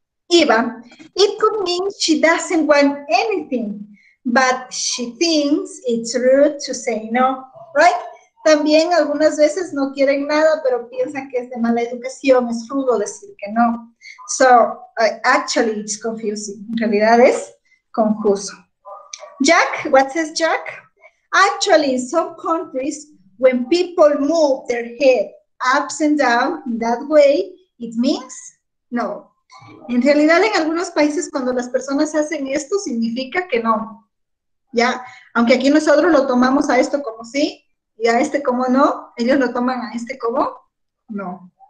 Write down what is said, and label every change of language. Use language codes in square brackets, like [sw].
[en] Eva, it could mean she doesn't want anything, but she thinks it's rude to say no, right? [es] También algunas veces no quieren nada, pero piensan que es de mala educación, es rudo decir que no. [en] So, actually, it's confusing. [es] En realidad es confuso. [en] Jack, what says Jack? Actually, in some countries, when people move their head up and down in that way, it means no. [es] En realidad, en algunos países, cuando las personas hacen esto, significa que no. ¿Ya? Aunque aquí nosotros lo tomamos a esto como sí, y a este como no, ellos lo toman a este como no.